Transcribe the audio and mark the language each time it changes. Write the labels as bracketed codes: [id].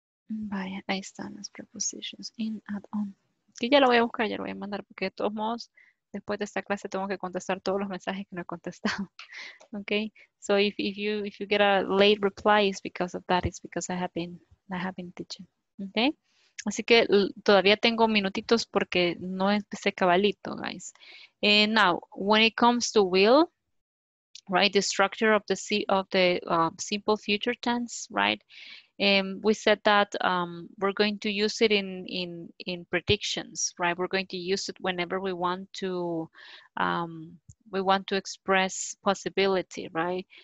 [es] Vaya, ahí están las prepositions. [en] In, at, on. [es] Y ya lo voy a buscar, ya lo voy a mandar, porque de todos modos, después de esta clase tengo que contestar todos los mensajes que no he contestado. [en] Okay. So if you get a late reply, it's because of that. It's because I have been teaching. Okay. [es] Así que todavía tengo minutitos porque no empecé cabalito, [en] guys. And now, when it comes to will, right, the structure of the simple future tense, right? We said that we're going to use it in predictions, right? We're going to use it whenever we want to express possibility, right?